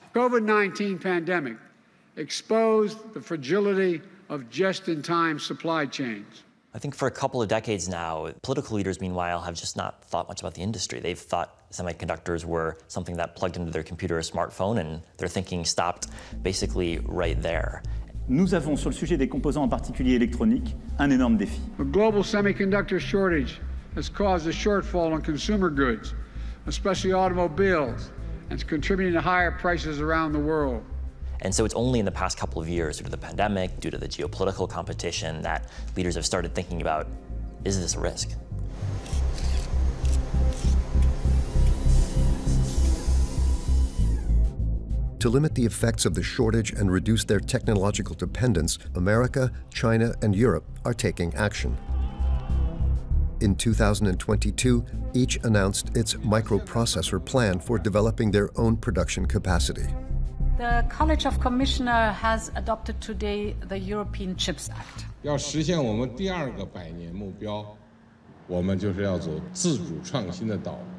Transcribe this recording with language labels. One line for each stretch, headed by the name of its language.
English: COVID-19 pandemic exposed the fragility of just-in-time supply chains. I think for a couple of decades now, political leaders, meanwhile, have just not thought much about the industry. They've thought semiconductors were something that plugged into their computer or smartphone, and their thinking stopped basically right there.
French: Nous avons sur le sujet des composants en particulier électroniques un énorme défi.
English: A global semiconductor shortage has caused a shortfall in consumer goods, especially automobiles, and it's contributing to higher prices around the world. And so it's only in the past couple of years, due to the pandemic, due to the geopolitical competition, that leaders have started thinking about, is this a risk? To limit the effects of the shortage and reduce their technological dependence, America, China, and Europe are taking action. In 2022, each announced its microprocessor plan for developing their own production capacity. The College of Commissioners has adopted today the European Chips Act.
Chinese: 要实现我们第二个百年目标, 我们就是要走自主创新的道路。